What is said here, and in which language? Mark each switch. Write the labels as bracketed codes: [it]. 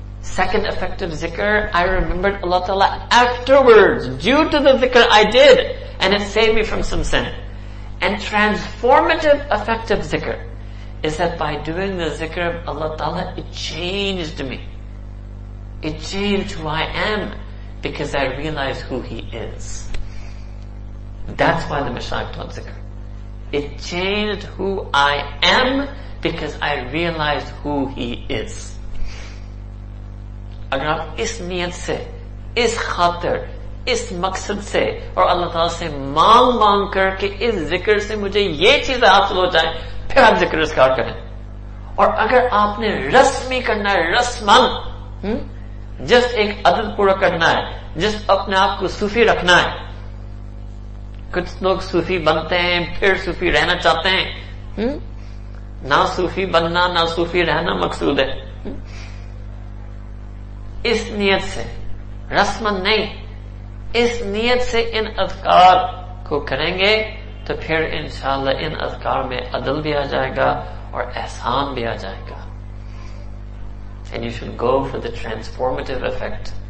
[en] Second effective जिक्र, I remembered अल्लाह ताला आफ्टरवर्ड्स ड्यू टू द जिक्र I did and it saved me from some sin. And transformative effective जिक्र is that by doing the जिक्र अल्लाह ताला it changed me. It changed who I am because I realized who He is. That's why the Mashaq taught Zikr. It changed who I am because I realized who He is. [hi] Agar aap is niyat se, is khatir, is maqsad se, aur Allah Ta'ala se maang maang kar ke is Zikr se mujhe ye cheez haasil ho jaye, phir aap Zikr iskaar karein. Aur agar aapne rasmi karna hai, rasman, just एक अदद पूरा करना है, just अपने आप को सूफी रखना है. कुछ लोग सूफी बनते हैं फिर सूफी रहना चाहते हैं. ना सूफी बनना ना सूफी रहना मकसूद है. इस नियत से, रस्मन नहीं, इस नियत से इन अधिकार को करेंगे तो फिर इंशाल्लाह इन अधिकार में अदल भी आ जाएगा और एहसान भी आ जाएगा. [en] And you should go for the transformative effect.